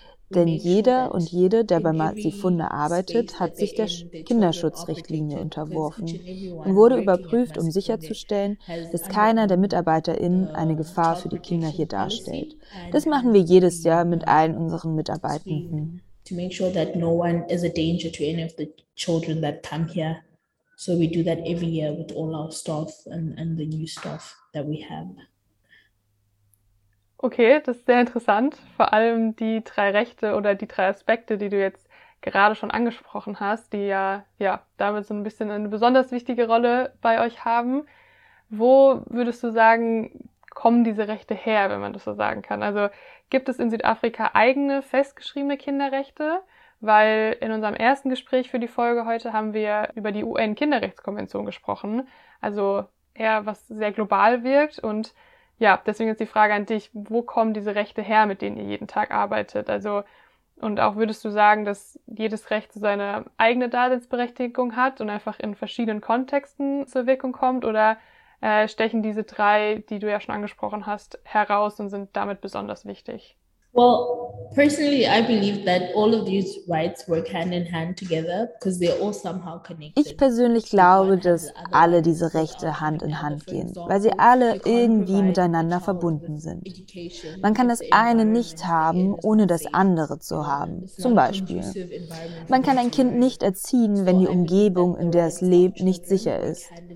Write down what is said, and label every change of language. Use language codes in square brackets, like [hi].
[de] Denn jeder und jede, der bei Masifunde arbeitet, hat sich der Kinderschutzrichtlinie unterworfen und wurde überprüft, um sicherzustellen, dass keiner der MitarbeiterInnen eine Gefahr für die Kinder hier darstellt. Das machen wir jedes Jahr mit allen unseren Mitarbeitenden. [en] To make sure that no one is a danger to any of the children that come here. So we do that every year with all our staff and the new staff that we have. [de] Okay, das ist sehr interessant. Vor allem die drei Rechte oder die drei Aspekte, die du jetzt gerade schon angesprochen hast, die ja damit so ein bisschen eine besonders wichtige Rolle bei euch haben. Wo würdest du sagen, kommen diese Rechte her, wenn man das so sagen kann? Also gibt es in Südafrika eigene festgeschriebene Kinderrechte? Weil in unserem ersten Gespräch für die Folge heute haben wir über die UN-Kinderrechtskonvention gesprochen. Also eher was sehr global wirkt und ja, deswegen ist die Frage an dich, wo kommen diese Rechte her, mit denen ihr jeden Tag arbeitet? Also Und auch würdest du sagen, dass jedes Recht seine eigene Daseinsberechtigung hat und einfach in verschiedenen Kontexten zur Wirkung kommt? Oder stechen diese drei, die du ja schon angesprochen hast, heraus und sind damit besonders wichtig? [en] Well, personally, I believe that all of these rights work hand in hand together because they're all somehow connected. [de] Ich persönlich glaube, dass alle diese Rechte Hand in Hand gehen, weil sie alle irgendwie miteinander verbunden sind. Man kann das eine nicht haben, ohne das andere zu haben. Zum Beispiel, man kann ein Kind nicht erziehen, wenn die Umgebung, in der es lebt, nicht sicher ist.